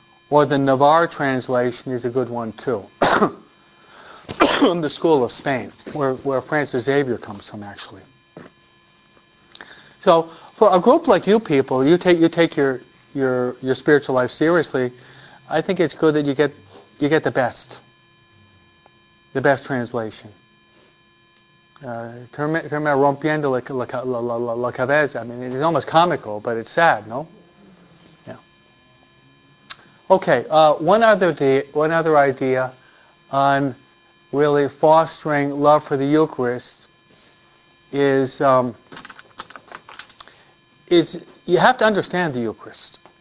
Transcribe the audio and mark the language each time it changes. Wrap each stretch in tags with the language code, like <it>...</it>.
<en>Or the Navarre translation is a good one too. From the School of Spain, where Francis Xavier comes from, actually. So, for a group like you people, you take your spiritual life seriously. I think it's good that you get the best translation.</en> <es>Termina rompiendo la cabeza.</es> <en>I mean, it's almost comical, but it's sad, no? Yeah. Okay. One other idea on really fostering love for the Eucharist is you have to understand the Eucharist.</en>